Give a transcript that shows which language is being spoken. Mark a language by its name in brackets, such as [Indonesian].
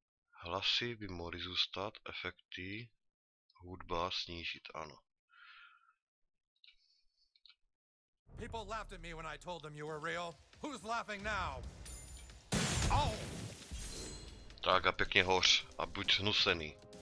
[Czech] Hlasy by mohly zůstat, efekty, hudba snížit, ano. [English] People laughed at me when I told them you were real. Who's laughing now? Oh! [Czech] Tak a pěkně hoř a buď hnusený.